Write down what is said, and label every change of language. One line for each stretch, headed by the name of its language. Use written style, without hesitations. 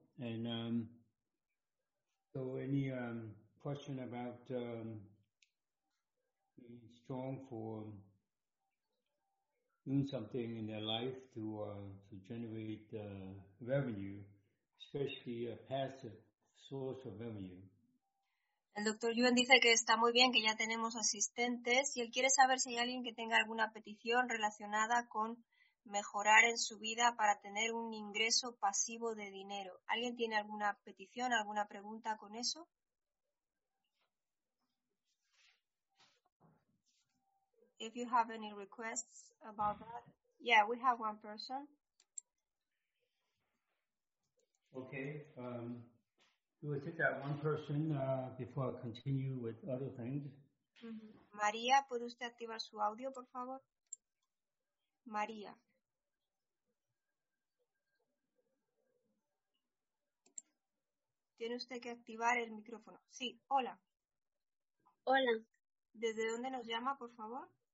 English: And so any question about being strong for doing something in their life to generate revenue, especially a passive source of revenue.
Spanish: El doctor Yuen dice que está muy bien, que ya tenemos asistentes, y él quiere saber si hay alguien que tenga alguna petición relacionada con mejorar en su vida para tener un ingreso pasivo de dinero. ¿Alguien tiene alguna petición, alguna pregunta con eso?
English: If you have any requests about that. Yeah, we have one person. Okay. We will take that one person before I continue with other things. Mm-hmm.
Spanish: María, ¿puede usted activar su audio, por favor? María. ¿Tiene usted que activar el micrófono? Sí, hola. Hola. ¿Desde dónde nos llama, por favor?